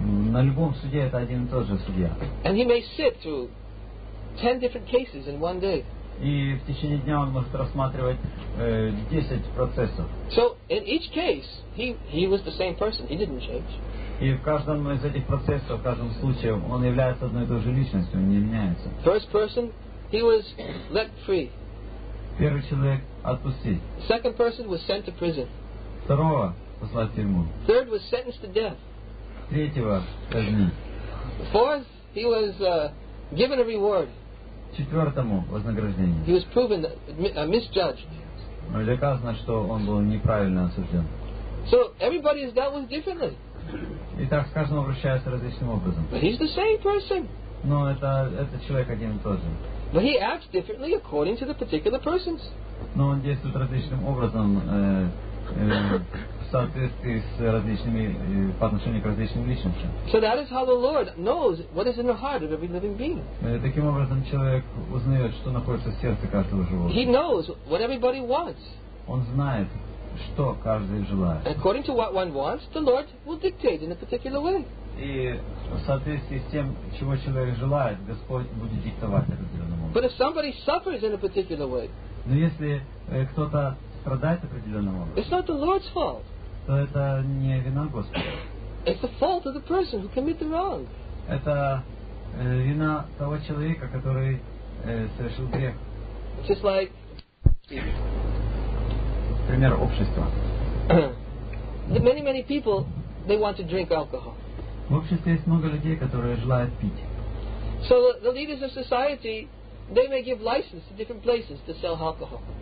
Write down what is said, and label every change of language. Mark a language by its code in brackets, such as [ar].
[ru] На любом суде это один и тот же судья. [en] And he may sit through 10 different cases in one day. [ru] И в течение дня он может рассматривать 10 процессов. [en] So in each case, he was the same person. He didn't change. [ru] И в каждом из этих процессов, в каждом случае, он является одной и той же личностью, он не меняется. [en] First person, he was let free. [ru] Первый человек отпустить. [en] Second person was sent to prison. [ru] Второго послать в тюрьму. [en] Third was sentenced to death. [ru] Третьего казни. [en] Fourth, he was given a reward. [ru] Четвертому вознаграждение. [en] He was proven misjudged. [ru] Доказано, что он был неправильно осужден. [en] So everybody is dealt with differently. [ru] И так с каждым обращаются различным образом. [en] But he's the same person. [ru] Но это человек один и тот же. [en] But he acts differently according to the particular persons. [ru] Но он действует различным образом в соответствии с различными по отношению к различным личностям. [en] So that is how the Lord knows what is in the heart of every living being. [ru] Таким образом человек узнает, что находится в сердце каждого животного. [en] He knows what everybody wants. [ru] Он знает, что каждый желает. [en] According to what one wants, the Lord will dictate in a particular way. [ru] И в соответствии с тем, чего человек желает, Господь будет диктовать определенным образом. [en] But if somebody suffers in a particular way, [ru] но если кто-то страдает определенным образом, [en] it's not the Lord's fault. [ru] То это не вина Господа. [en] It's the fault of the person who committed wrong. [ru] Это вина того человека, который совершил грех. [en] It's just like... [ru] Пример общества. [en] Many, many people, they want to drink alcohol. [ru] В обществе есть много людей, которые желают пить. [en] So the leaders of society, they may give license to different places to sell alcohol.